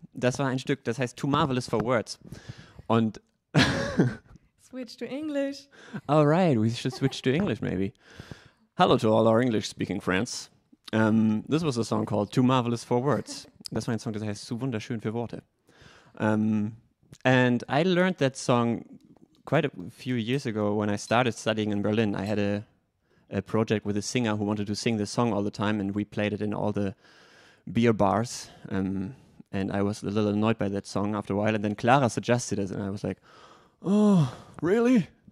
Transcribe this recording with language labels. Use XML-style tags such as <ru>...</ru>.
<de>Das war ein Stück, das heißt Too Marvelous for Words. Und</de> <en>switch to English. All right, we should switch to English maybe. Hello to all our English speaking friends. This was a song called Too Marvelous for Words.</en> <de>Das war ein Song, das heißt Zu wunderschön für Worte.</de> <en>And I learned that song quite a few years ago when I started studying in Berlin. I had a project with a singer who wanted to sing this song all the time, and we played it in all the beer bars. And I was a little annoyed by that song after a while, and then Clara suggested it, and I was like, oh, really?</en>